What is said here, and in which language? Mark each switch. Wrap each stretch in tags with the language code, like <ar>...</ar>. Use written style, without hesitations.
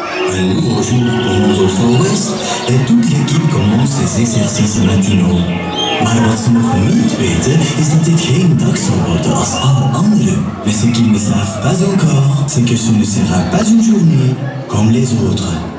<fr>Un nouveau jour commence au Forest et toute l'équipe commence ses exercices matinaux.</fr> <nl>Maar wat ze nog niet weten, is dat dit geen dag zal worden als alle anderen.</nl> <fr>Mais ce qu'ils ne savent pas encore, c'est que ce ne sera pas une journée comme les autres.</fr>